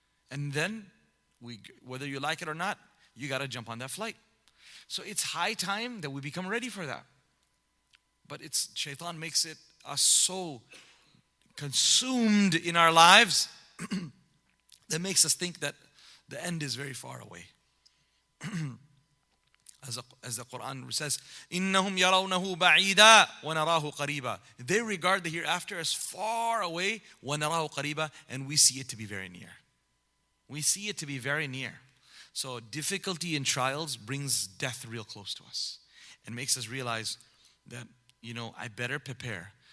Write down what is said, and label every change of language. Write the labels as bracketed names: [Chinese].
[English] And then, whether you like it or not, you got to jump on that flight. So it's high time that we become ready for that. But it's shaitan makes it us so consumed in our lives that makes us think that the end is very far away. As the Quran says, [Arabic] إِنَّهُمْ يَرَوْنَهُ بَعِيدًا وَنَرَاهُ قَرِيبًا. [English] They regard the hereafter as far away, [Arabic] وَنَرَاهُ قَرِيبًا, [English] and we see it to be very near. We see it to be very near. So difficulty in trials brings death real close to us and makes us realize that, you know, I better prepare.